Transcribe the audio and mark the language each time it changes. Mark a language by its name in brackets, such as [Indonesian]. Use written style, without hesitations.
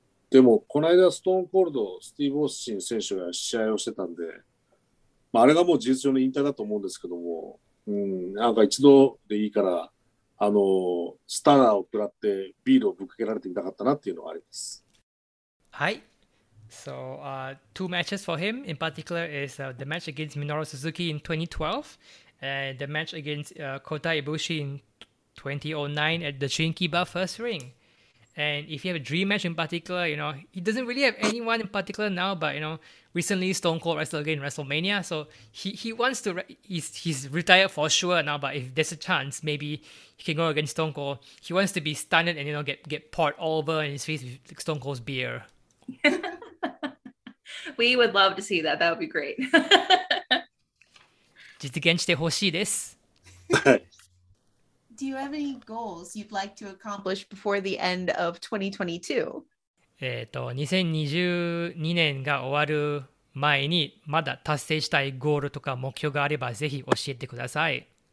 [Japanese] でもこの間ストーンコールドスティーブ・オースティン選手が試合をしてたんで、まあ、あれがもう事実上の引退だと思うんですけども、なんか一度でいいからスターを食らってビールをぶっかけられてみたかったなっていうのがあります。はい。 [English] So, two matches for him in particular is the match against Minoru Suzuki in 2012 and the match against Kota Ibushi in 2009 at the Shinkiba First Ring. And if you have a dream match in particular, you know, he doesn't really have anyone in particular now, but you know, recently Stone Cold wrestled again in WrestleMania. So he wants to, he's retired for sure now, but if there's a chance, maybe he can go against Stone Cold. He wants to be stunned and, you know, get poured all over in his face with Stone Cold's beer. We would love to see that. That would be great. [Japanese] 実現してほしいです。 [English] Do you have any goals you'd like to accomplish before the end of 2022? [Japanese] 2022年が終わる前にまだ達成したいゴールとか目標があればぜひ教えてください。